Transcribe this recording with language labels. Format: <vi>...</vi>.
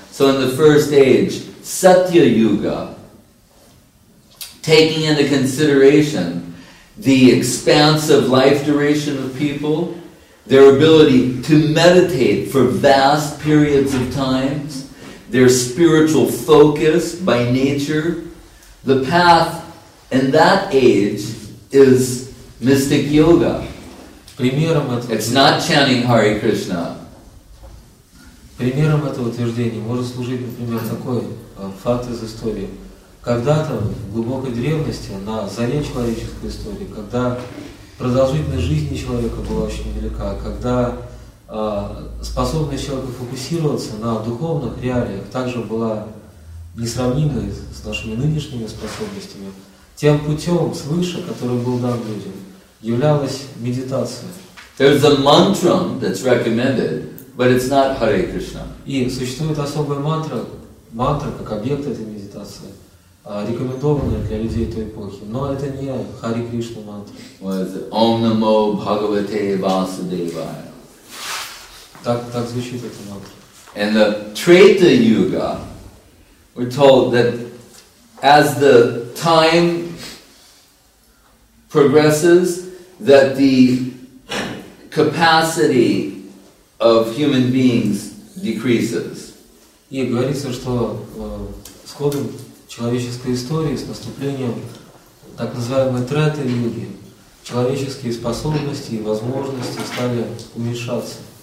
<en>So in the first age, Satya Yuga, taking into consideration the expansive life duration of people, their ability to meditate for vast periods of times, their spiritual focus by nature, the path in that age is mystic yoga. It's not chanting Hare Krishna.</en> <ru>Примером этого утверждения может служить, например, такой факт из истории. Когда-то, в глубокой древности, на заре человеческой истории, когда продолжительность жизни человека была очень велика, когда способность человека фокусироваться на духовных реалиях также была несравнимой с нашими нынешними способностями, тем путем свыше, который был дан людям, являлась медитация.</ru> <en>There's a mantra that's recommended, but it's not Hare Krishna.</en> <ru>И существует особая мантра, мантра как объект этой медитации, рекомендованная для людей той эпохи. Но это не Хари Кришна мантра.</ru> <en>What is it? Om Namo Bhagavate Vasudevaya.</en> <ru>Так звучит эта мантра.</ru> <en>And the Treta Yuga, we're told that as the time progresses, that the capacity of human beings decreases.</en> <ru>И говорится, что с ходом человеческой истории, с наступлением так называемой треты йоги, человеческие способности и возможности стали уменьшаться.</ru>